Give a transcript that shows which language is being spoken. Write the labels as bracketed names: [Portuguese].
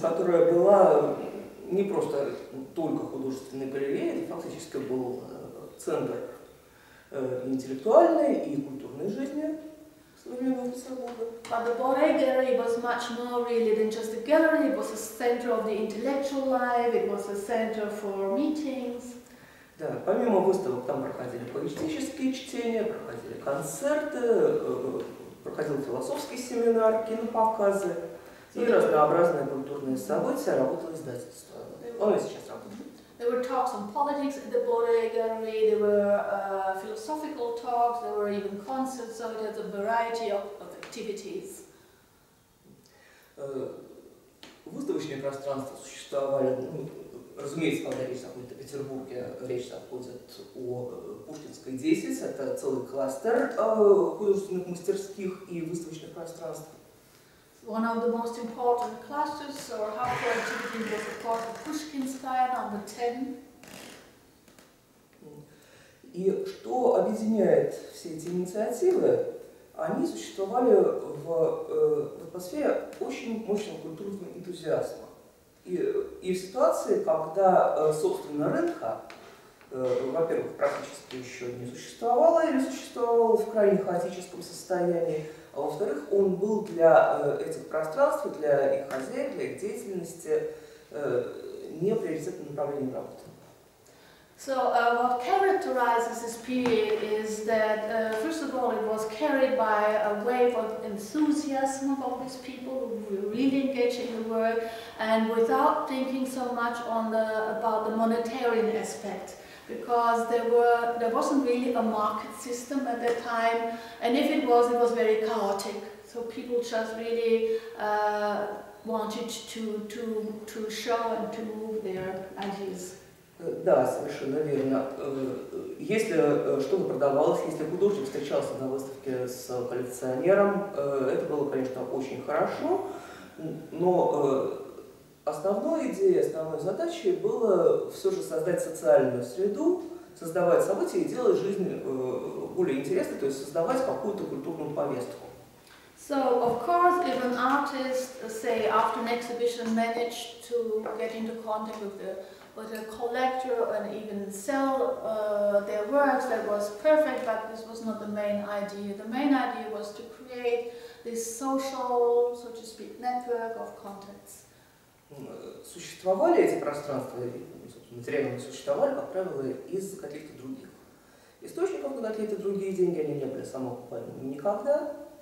[Russian] Которая была не просто только художественной галереей, это фактически был центр интеллектуальной и культурной жизни. [English] But the Boré Gallery was much more really than just a gallery, it was a center of the intellectual life, it was a center for meetings. [Russian] Да, помимо выставок там проходили поэтические чтения, проходили концерты, проходил философский семинар, кинопоказы. и разнообразные культурные события работал издательство. Он и сейчас работает. [English] There were talks on politics at the Borde Gallery, there were philosophical talks, there were even concerts, so it has a variety of activities. [Russian] Выставочные пространства существовали, ну, разумеется, когда речь заходит о Петербурге, речь заходит о Пушкинской 10, это целый кластер художественных мастерских и выставочных пространств. [English] One of the most important clusters or hub for activity was of course Pushkinskaya number 10. [Russian] И что объединяет все эти инициативы? Они существовали в атмосфере очень мощного культурного энтузиазма. И в ситуации, когда, собственно, рынка, во-первых, практически еще не существовало или существовало в крайне хаотическом состоянии, а во-вторых, он был для этих пространств, для их хозяев, для их деятельности не приоритетным направлением работы. [English] So what characterizes this period is that, first of all, it was carried by a wave of enthusiasm of all these people who were really engaged in the work and without thinking so much on the about the monetary aspect. Because there wasn't really a market system at that time, and if it was very chaotic. So people just really wanted to show and to move their ideas. [Russian] Да, совершенно верно. Если что-то продавалось, если художник встречался на выставке с коллекционером, это было, конечно, очень хорошо, но основной идеей, основной задачей было все же создать социальную среду, создавать события и делать жизнь более интересной, то есть создавать какую-то культурную повестку. [English] So, of course, if an artist, say, after an exhibition managed to get into contact with a collector and even sell their works, that was perfect, but this was not the main idea. The main idea was to create this social, so to speak, network of contacts. [Russian] Существовали эти пространства, материально они существовали, как правило, из каких-то других источников, когда какие-то другие деньги, они не были самоокупаемыми никогда.